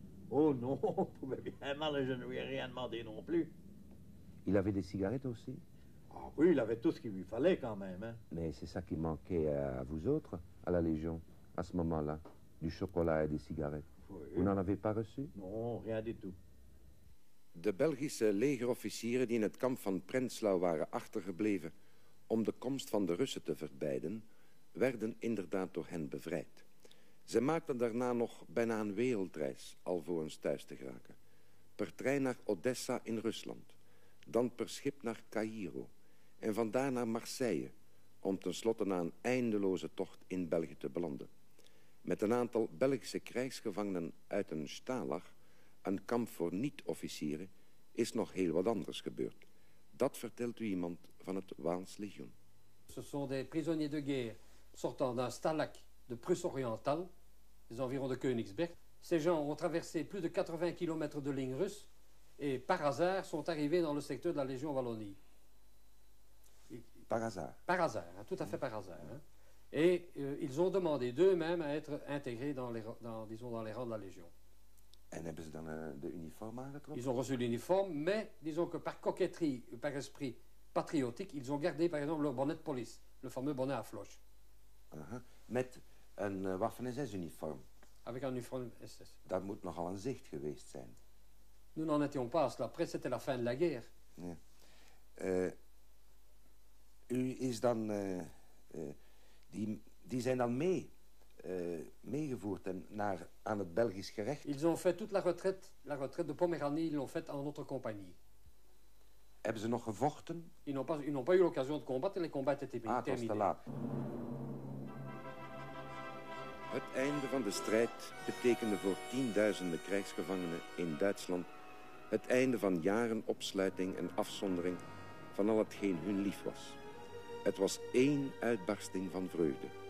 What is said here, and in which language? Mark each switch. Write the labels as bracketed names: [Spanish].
[French] Oh non, évidemment, je ne lui ai rien demandé non plus. Il avait des cigarettes aussi? Ah oui, il avait tout ce qu'il lui fallait quand même. Hein. Mais c'est ça qui manquait à vous autres, à la Légion, à ce moment-là, du chocolat et des cigarettes. Oui. Vous n'en avez pas reçu? Non, rien du tout. [Dutch] De Belgische legerofficieren die in het kamp van Prenzlau waren achtergebleven om de komst van de Russen te verbeiden, werden inderdaad door hen bevrijd. Ze maakten daarna nog bijna een wereldreis alvorens thuis te geraken. Per trein naar Odessa in Rusland, dan per schip naar Cairo en vandaar naar Marseille, om tenslotte na een eindeloze tocht in België te belanden. Met een aantal Belgische krijgsgevangenen uit een stalag, een kamp voor niet-officieren, is nog heel wat anders gebeurd. Dat vertelt u iemand van het Waals Legioen. [French] Ce sont des prisonniers de guerre sortant d'un stalag de Prusse orientale, des environs de Königsberg. Ces gens ont traversé plus de 80 kilometers de ligne russe et par hasard sont arrivés dans le secteur de la Légion Wallonie. Par hasard. Par hasard, hein, tout à fait par hasard. Hein. Et ils ont demandé d'eux-mêmes à être intégrés dans les rangs de la Légion. [Dutch] Et hebben ze dan de uniforme aangetrokken? [French] Ils ont reçu l'uniforme, mais disons que par coquetterie, par esprit patriotique, ils ont gardé par exemple leur bonnet de police, le fameux bonnet à floche. [Dutch] Met een Waffen-SS-uniforme. [French] Avec un uniforme SS. [Dutch] Dat moet nogal een zicht geweest zijn. [French] Nous n'en étions pas à cela. Après, c'était la fin de la guerre. [Dutch] Ja. U is dan, die zijn dan mee, meegevoerd en naar, aan het Belgisch gerecht. [French] Ils ont fait toute la retraite de Pomeranie, ils l'ont fait en notre compagnie. [Dutch] Hebben ze nog gevochten? [French] Ils n'ont pas eu l'occasion de combattre, les combats étaient terminés. [Dutch] Ah, het was te laat. Het einde van de strijd betekende voor tienduizenden krijgsgevangenen in Duitsland het einde van jaren opsluiting en afzondering van al hetgeen hun lief was. Het was één uitbarsting van vreugde.